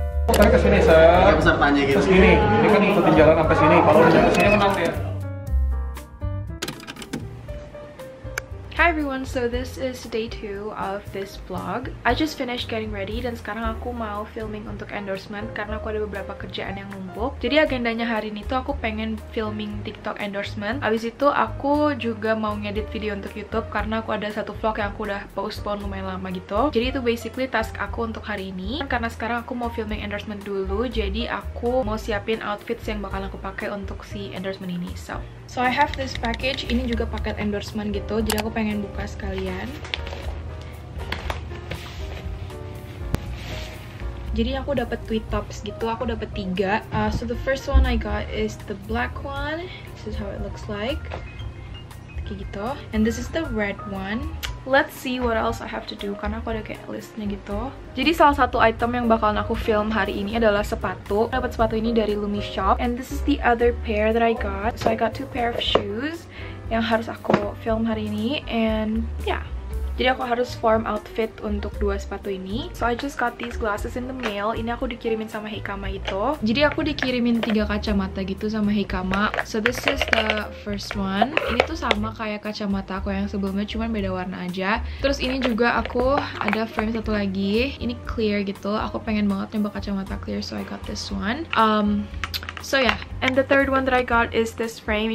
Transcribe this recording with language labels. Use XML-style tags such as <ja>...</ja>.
<id>Kita ke sini, Sir. Kayak pesertanya gitu. Ke sini. Ini kan ikutin jalan sampai sini. Kalau udah sampai sini kenal ya.</id> <en>Hi everyone, so this is day 2 of this vlog. I just finished getting ready</en> <id>dan sekarang aku mau filming untuk endorsement karena aku ada beberapa kerjaan yang numpuk. Jadi agendanya hari ini tuh aku pengen filming TikTok endorsement. Abis itu aku juga mau ngedit video untuk YouTube karena aku ada satu vlog yang aku udah postpone lumayan lama gitu. Jadi itu basically task aku untuk hari ini. Karena sekarang aku mau filming endorsement dulu, jadi aku mau siapin outfits yang bakal aku pakai untuk si endorsement ini.</id> <en>So I have this package,</en> <id>ini juga paket endorsement gitu, jadi aku pengen buka sekalian. Jadi aku dapat tweed tops gitu, aku dapat 3.</id> <en>So the first one I got is the black one. This is how it looks like.</en> <id>Kayak gitu.</id> <en>And this is the red one. Let's see what else I have to do,</en> <id>karena aku ada kayak listnya gitu. Jadi salah satu item yang bakalan aku film hari ini adalah sepatu. Aku dapat sepatu ini dari Lumi Shop.</id> <en>And this is the other pair that I got. So I got 2 pair of shoes</en> <id>yang harus aku film hari ini. And yeah, jadi aku harus form outfit untuk 2 sepatu ini.</id> <en>So I just got these glasses in the mail.</en> <id>Ini aku dikirimin sama Heikama itu. Jadi aku dikirimin 3 kacamata gitu sama Heikama.</id> <en>So this is the first one.</en> <id>Ini tuh sama kayak kacamata aku yang sebelumnya, cuman beda warna aja. Terus ini juga aku ada frame satu lagi. Ini clear gitu. Aku pengen banget nyoba kacamata clear,</id> <en>so I got this one. So yeah, and the third one that I got is this frame.</en>